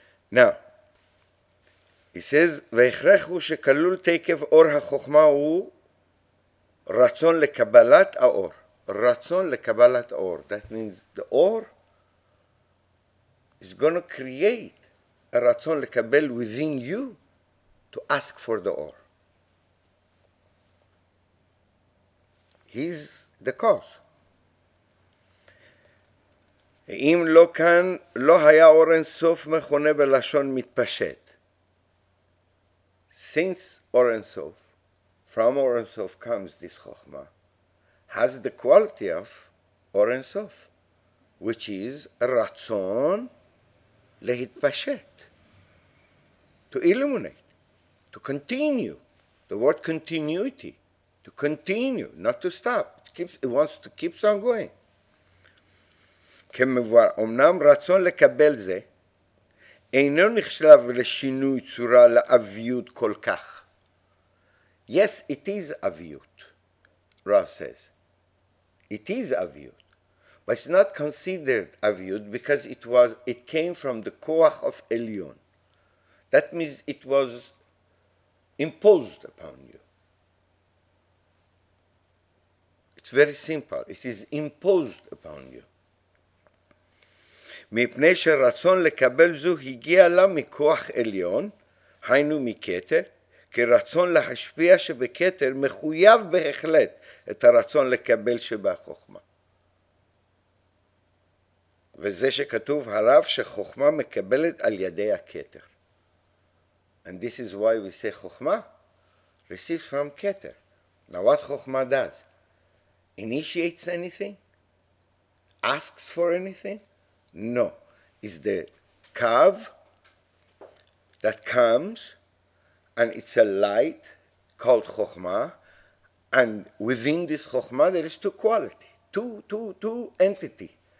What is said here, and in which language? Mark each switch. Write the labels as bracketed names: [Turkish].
[English] Now, he says, [Hebrew] והכרחו שכלול תקף אור החוכמה הוא רצון לקבלת האור. רצון לקבלת האור. [English] That means the אור is going to create a רצון לקבל within you to ask for the אור. He's the cause. [Hebrew] אם לא כאן, לא היה אור אין סוף מכונה בלשון מתפשט. [English] Since Or Ein Sof, from Or Ein Sof comes this Chochmah, has the quality of Or Ein Sof, which is Ratzon Lehitpashet, to illuminate, to continue. The word continuity, to continue, not to stop. It wants to keep on going. [Hebrew] Kemevar Omnam Ratzon Lekabel Ze, אינו נחשב לשינוי צורה לאביות כל כך. [English] Yes, it is אביות, Rav says. It is אביות. But it's not considered אביות because it came from the כוח of עליון. That means it was imposed upon you. It's very simple. It is imposed upon you. [Hebrew] מפני שרצון לקבל זו הגיע לה מכוח עליון, היינו מכתר, כרצון להשפיע שבכתר מחויב בהחלט את הרצון לקבל שבחוכמה. וזה שכתוב הרב שחוכמה מקבלת על ידי הכתר. [English] And this is why we say חוכמה receives from כתר. Now what חוכמה does? Initiates anything? Asks for anything? No, it's the kav that comes and it's a light called Chochmah, and within this Chochmah there is two quality, two entity.